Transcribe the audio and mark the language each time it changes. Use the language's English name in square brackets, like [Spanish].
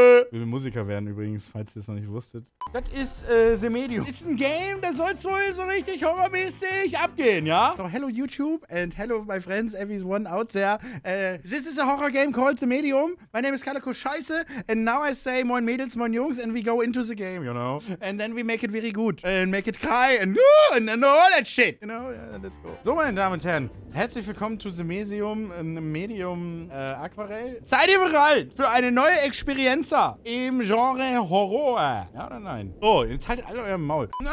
[German] Will Musiker werden übrigens, falls ihr es noch nicht wusstet. Das ist The Medium. Ist ein Game, das soll wohl so richtig horrormäßig abgehen, ja? [English] So, hello YouTube and hello my friends, everyone out there. This is a horror game called The Medium. My name is Calico Scheiße. And now I say [German] moin Mädels, moin Jungs, [English] and we go into the game, you know? And then we make it very good. And make it cry and all that shit. You know, yeah, let's go. [German] So, meine Damen und Herren, herzlich willkommen zu The Medium, Aquarell. Seid ihr bereit für eine neue Experienza? Im Genre Horror. Ja oder nein? Oh, jetzt haltet alle euer Maul.